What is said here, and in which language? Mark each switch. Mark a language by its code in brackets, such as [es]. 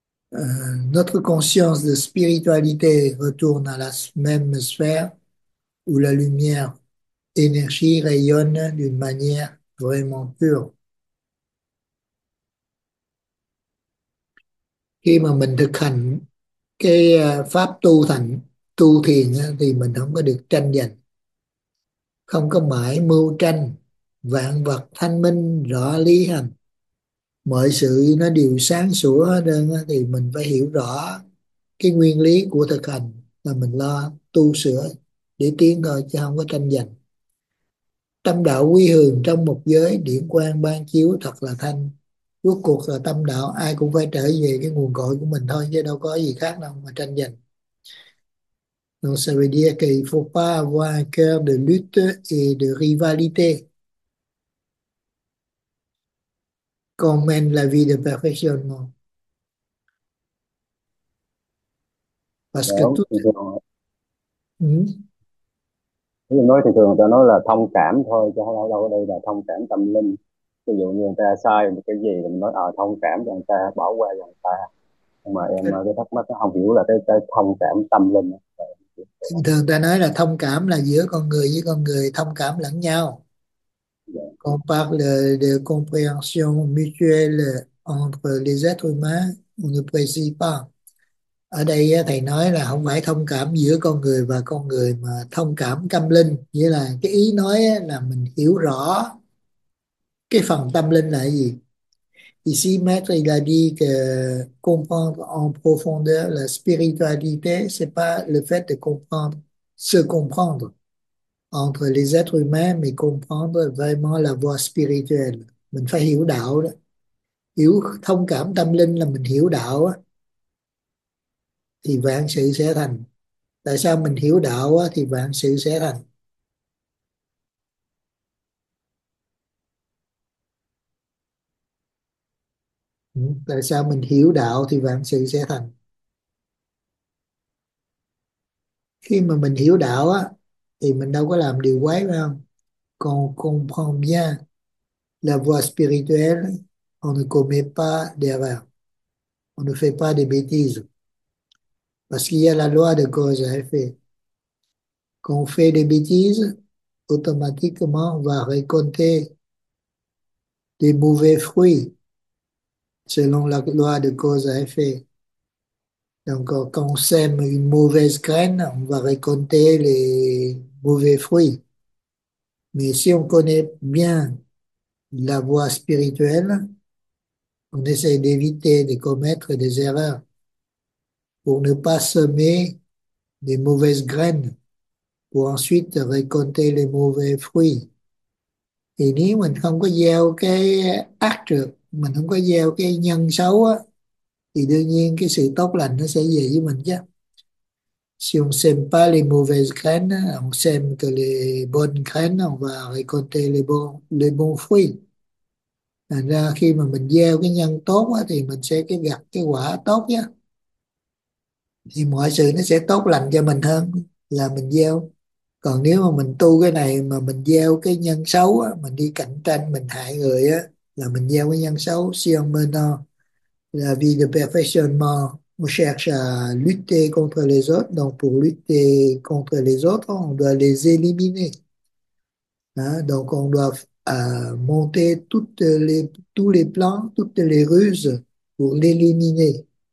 [fr] Notre conscience de spiritualité retourne à la même sphère où la lumière énergie rayonne d'une manière vraiment pure. [vi] Khi mà mình thực hành cái pháp tu thiền thì mình không có được tranh giành, không có mãi mưu tranh, vạn vật thanh minh rõ lý hành. Mọi sự nó đều sáng sủa nên thì mình phải hiểu rõ cái nguyên lý của thực hành là mình lo tu sửa để tiến thôi chứ không có tranh giành. Tâm đạo quy hướng trong một giới điển quang ban chiếu thật là thanh. Cuối cuộc là tâm đạo ai cũng phải trở về cái nguồn cội của mình thôi chứ đâu có gì khác đâu mà tranh giành. [fr] Non savez dire qu'il faut pas avoir un cœur de lutte et de rivalité. Còn men là vie de perfection. Parce que [vi] Đúng, [fr] tout [vi] thì thường ừ. nói thì thường ta nói là thông cảm thôi chứ đâu đâu đây là thông cảm tâm linh. Ví dụ như người ta sai một cái gì mình nói thông cảm cho người ta, bỏ qua cho người ta, nhưng mà em cái thắc mắc nó không hiểu là cái thông cảm tâm linh. Thường ta nói là thông cảm là giữa con người với con người thông cảm lẫn nhau. [fr] On parle de compréhension mutuelle entre les êtres humains, on ne précise pas. [vi] Ở đây thầy nói là không phải thông cảm giữa con người và con người mà thông cảm tâm linh. Nghĩa là cái ý nói là mình hiểu rõ cái phần tâm linh là gì. [fr] Ici, Maître, il a dit que comprendre en profondeur la spiritualité, ce n'est pas le fait de comprendre, se comprendre entre les êtres humains, mais comprendre vraiment la voie spirituelle. [vi] Mình phải hiểu đạo đó. Hiểu thông cảm tâm linh là mình hiểu đạo đó. Thì vạn sự sẽ thành. Tại sao mình hiểu đạo đó, thì vạn sự sẽ thành. Tại sao mình hiểu đạo thì vạn sự sẽ thành. Khi mà mình hiểu đạo á thì mình đâu có làm điều quái phải không? Còn [fr] comprendre bien la voie spirituelle, on ne commet pas d'erreur. On ne fait pas de bêtises. Parce qu'il y a la loi de cause à effet. Quand on fait des bêtises, automatiquement on va récolter des mauvais fruits. Selon la loi de cause à effet. Donc, quand on sème une mauvaise graine, on va récolter les mauvais fruits. Mais si on connaît bien la voie spirituelle, on essaie d'éviter de commettre des erreurs pour ne pas semer des mauvaises graines pour ensuite récolter les mauvais fruits. Et [vi] nếu mình không có gieo cái ác trược, mình không có gieo cái nhân xấu á thì đương nhiên cái sự tốt lành nó sẽ về với mình chứ. [fr] Si on sème pas les mauvaises graines, on sème que les bonnes graines, on va récolter les bons fruits. [vi] Thành ra khi mà mình gieo cái nhân tốt á thì mình sẽ cái gặt cái quả tốt nhé. Thì mọi sự nó sẽ tốt lành cho mình hơn là mình gieo. Còn nếu mà mình tu cái này mà mình gieo cái nhân xấu á, mình đi cạnh tranh, mình hại người á, là mình gieo cái nhân xấu. [fr] Si on meurt là vie de perfection mort, on cherche à lutter contre les autres. Donc pour lutter contre les autres, on doit les éliminer. Hein? Donc on doit monter tous les plans, toutes les ruses pour l'éliminer.